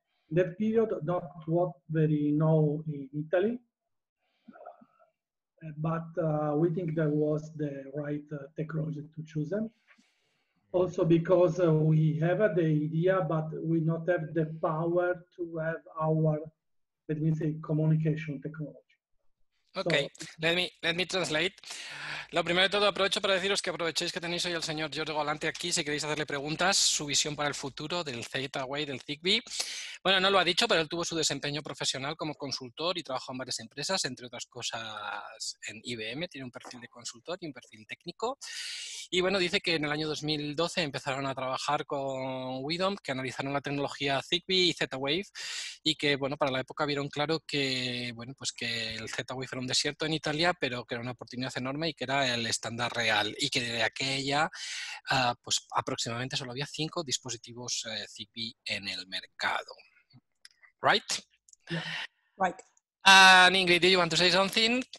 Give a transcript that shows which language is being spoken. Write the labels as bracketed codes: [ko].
[en] That period not what very know in Italy, but we think that was the right technology to choose. Also because we have the idea, but we not have the power to have our, let me say, communication technology. Okay, so, let me translate. [es] Lo primero de todo, aprovecho para deciros que aprovechéis que tenéis hoy al señor Giorgio Galante aquí, si queréis hacerle preguntas, su visión para el futuro del Z-Wave, del Zigbee. Bueno, no lo ha dicho, pero él tuvo su desempeño profesional como consultor y trabajó en varias empresas, entre otras cosas en IBM, tiene un perfil de consultor y un perfil técnico. Y bueno, dice que en el año 2012 empezaron a trabajar con WIDOM, que analizaron la tecnología Zigbee y Z-Wave, y que bueno, para la época vieron claro que, bueno, pues que el Z-Wave era un desierto en Italia, pero que era una oportunidad enorme y que era el estándar real, y que de aquella pues aproximadamente solo había 5 dispositivos Zigbee en el mercado. [en] Right? Yeah. Right. And Ingrid, do you want to say something?